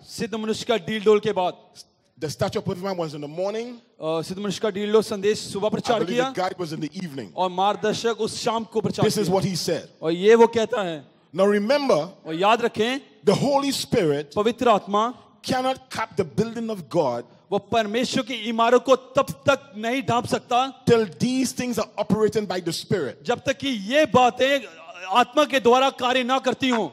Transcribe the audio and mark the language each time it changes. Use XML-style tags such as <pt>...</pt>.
<hi>सिद्ध मनुष्य का डील डोल के बाद.</hi> <en>The statue of Perfect Man was in the morning. The guide was in the evening.</en> <hi>और मार्गदर्शक उस शाम को प्रचार किया.</hi> <en>This is what he said.</en> <hi>और ये वो कहता है.</hi> <en>Now remember.</en> <hi>और याद रखें.</hi> <en>The Holy Spirit.</en> <hi>पवित्र आत्मा.</hi> <en>Cannot cap the building of God.</en> <hi>वो परमेश्वर की इमारत को तब तक नहीं ढांप सकता.</hi> <en>Till these things are operated by the Spirit.</en> <hi>जब तक कि ये बातें आत्मा के द्वारा कार्य ना करती हूं.</hi>